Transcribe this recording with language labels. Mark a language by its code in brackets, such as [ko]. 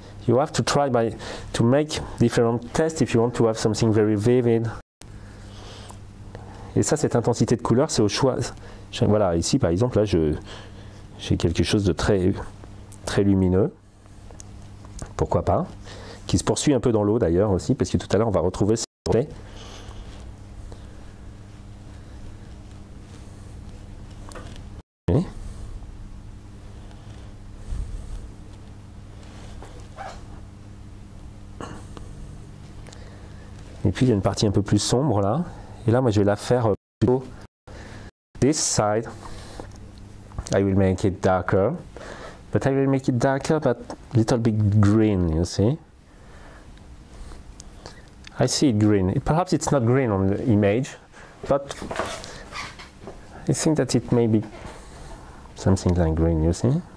[en] You have to try by to make different tests if you want to have something very vivid. [fr] Et ça, cette intensité de couleur, c'est au choix. Voilà, ici, par exemple, là, j'ai quelque chose de très, très lumineux. Pourquoi pas? Qui se poursuit un peu dans l'eau d'ailleurs aussi, parce que tout à l'heure on va retrouver ces reflets. Et puis il y a une partie un peu plus sombre là. Et là, moi je vais la faire plutôt. [en] This side, I will make it darker. But I will make it darker, but a little bit green, you see. I see it green. Perhaps it's not green on the image, but I think that it may be something like green, you see?